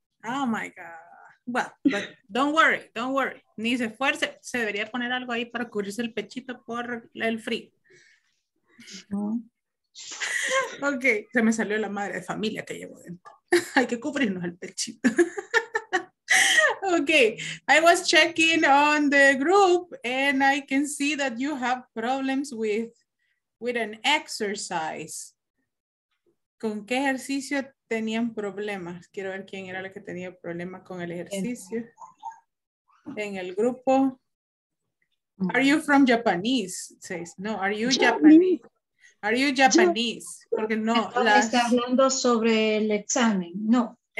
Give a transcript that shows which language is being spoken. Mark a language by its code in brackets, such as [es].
[en] Oh my God. Well, but don't worry. [es] Ni se esfuerce. Se debería poner algo ahí para cubrirse el pechito por el frío. No. Ok, se me salió la madre de familia que llevo dentro. Hay que cubrirnos el pechito. [en] Ok, I was checking on the group and I can see that you have problems with an exercise. [es] ¿Con qué ejercicio tenían problemas? Quiero ver quién era la que tenía problemas con el ejercicio. En el grupo. [en] Are you from Japanese? Says, no, are you Japanese? Are you Japanese? [es] Porque no. Está hablando sobre el examen, no.